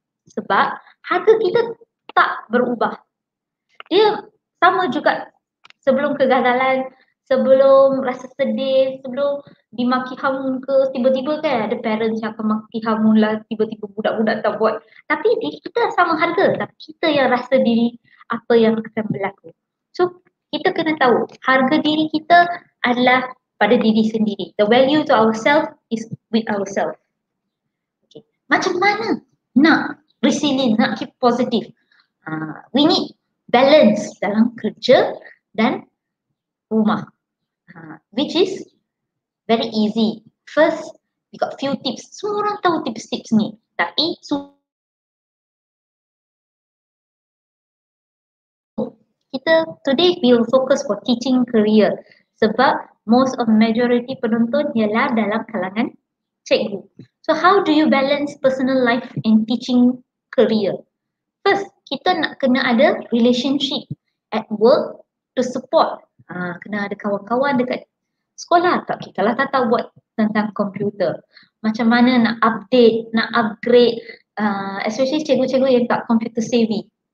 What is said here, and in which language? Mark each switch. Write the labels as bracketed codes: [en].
[ms] Sebab harga kita tak berubah. Dia sama juga sebelum kegagalan, sebelum rasa sedih, sebelum dimaki hamun ke, tiba-tiba kan ada parents yang akan maki hamun lah, tiba-tiba budak-budak tak buat. Tapi diri kita sama harga, tapi kita yang rasa diri apa yang akan berlaku. So kita kena tahu harga diri kita adalah pada diri sendiri. [en] The value to ourselves is with ourselves. [ms] Okay. Macam mana nak resilient, nak [en] keep positive? We need balance [ms] dalam kerja dan rumah. [en] Which is very easy. First, we got few tips. [ms] Semua orang tahu tips-tips ni. Tapi, kita [en] today will focus for teaching career. [ms] Sebab [en] most of majority [ms] penonton ialah dalam kalangan cikgu. [en] So how do you balance personal life and teaching career? [ms] First, kita nak kena ada [en] relationship at work to support. [ms] Kena ada kawan-kawan dekat sekolah. Tak, okay, kalau tak tahu buat tentang komputer, macam mana nak update, nak upgrade, especially cikgu-cikgu yang tak computer savvy.